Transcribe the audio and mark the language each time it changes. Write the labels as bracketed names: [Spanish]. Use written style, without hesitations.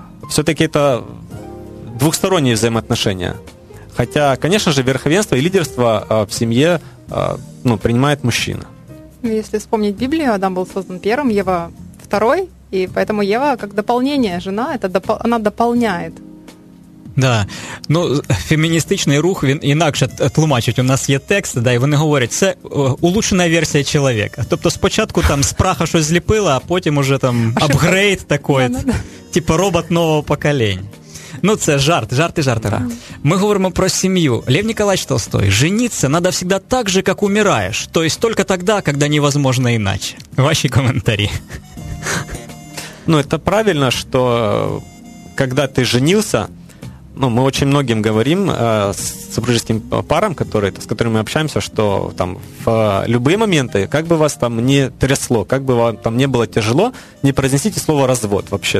[Russian] Все-таки это двухсторонние взаимоотношения. Хотя, конечно же, верховенство и лидерство в семье принимает мужчина. Если вспомнить Библию, Адам был создан первым, Ева второй, и поэтому Ева как дополнение, жена, это она дополняет. Да. [Ukrainian] Ну, феміністичний рух, він інакше тлумачить. У нас є текст, да, і вони говорять, це улучшена версія чоловіка. Тобто спочатку там з праха щось зліпило, а потім уже там апгрейд такий, типу робот нового покоління. Ну, це жарт, жарти-жарти. Да. Ми говоримо про сім'ю. [Russian] Лев Ніколаєвич Толстой, жениться надо всегда так же, как умираешь. То есть только тогда, когда невозможно иначе. [Ukrainian] Ваші коментарі. [Russian] Ну, это правильно, что когда ты женился... Ну, мы очень многим говорим с супружеским парам, с которыми мы общаемся, что там в любые моменты, как бы вас там не трясло, как бы вам там не было тяжело, не произнесите слово «развод» вообще.